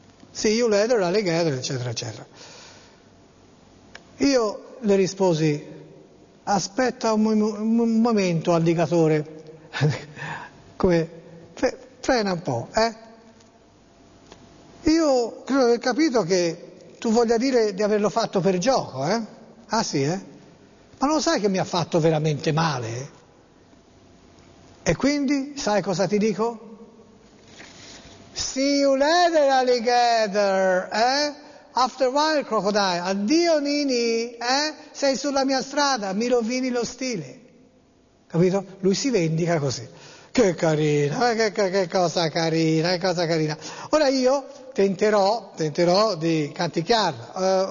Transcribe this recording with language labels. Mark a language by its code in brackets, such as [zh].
[it] Sì, [en] you later, alligator, [it] eccetera, eccetera. Io le risposi, aspetta un momento, alligatore, come, frena un po', Io credo di aver capito che tu voglia dire di averlo fatto per gioco, eh? Ah sì, eh? Ma non sai che mi ha fatto veramente male? E quindi, sai cosa ti dico? [en] See you later, alligator, eh? After a while, crocodile, [it] addio Nini, eh? Sei sulla mia strada, mi rovini lo stile. Capito? Lui si vendica così. Che carina, che cosa carina. Ora io tenterò di canticchiarla.